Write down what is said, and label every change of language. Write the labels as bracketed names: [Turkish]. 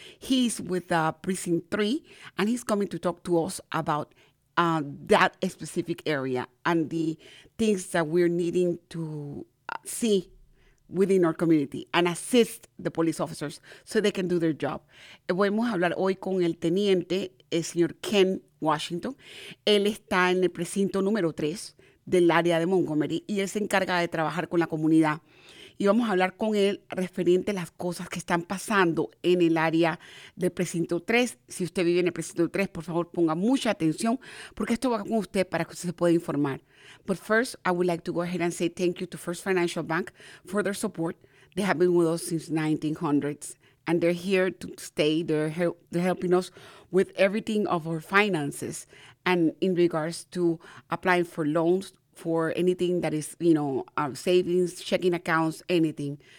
[English] He's with Precinct 3, and he's coming to talk to us about that specific area and the things that we're needing to see within our community and assist the police officers so they can do their job. [Spanish] Vamos a hablar hoy con el teniente, el señor Ken Washington. Él está en el precinto número 3 del área de Montgomery y él se encarga de trabajar con la comunidad. Y vamos a hablar con él referente a las cosas que están pasando en el área del precinto 3. Si usted vive en el precinto 3, por favor, ponga mucha atención porque esto va con usted para que usted se pueda informar. [English] But first, I would like to go ahead and say thank you to First Financial Bank for their support. They have been with us since 1900s, and they're here to stay. They're helping us with everything of our finances and in regards to applying for loans, for anything that is, you know, savings, checking accounts, anything.